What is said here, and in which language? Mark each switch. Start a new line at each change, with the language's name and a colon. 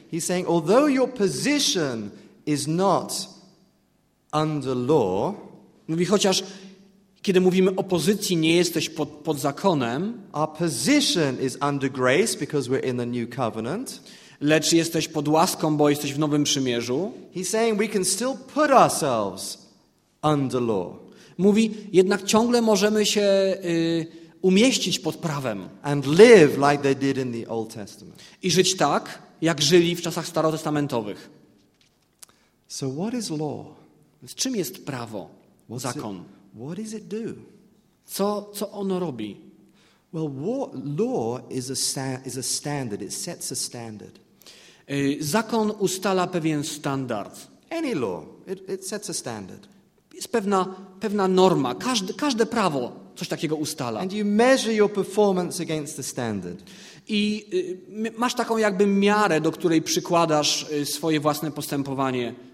English: He's saying, although your position is not under law,
Polish: mówi, chociaż kiedy mówimy o pozycji, nie jesteś pod zakonem.
English: Our position is under grace because we're in the new covenant.
Polish: Lecz jesteś pod łaską, bo jesteś w Nowym Przymierzu.
English: He's saying we can still put ourselves under law.
Polish: Mówi, jednak ciągle możemy się umieścić pod prawem.
English: And live like they did in the Old Testament.
Polish: I żyć tak, jak żyli w czasach starotestamentowych.
English: So what is law?
Polish: Z czym jest prawo? Zakon.
English: What does it do?
Polish: Co ono robi?
English: Well, law is a standard. It sets a standard.
Polish: Zakon ustala pewien standard.
English: Any law, it sets a standard.
Polish: Jest pewna norma. Każde prawo coś takiego ustala.
English: And you measure your performance against the standard.
Polish: I masz taką jakby miarę, do której przykładasz swoje własne postępowanie.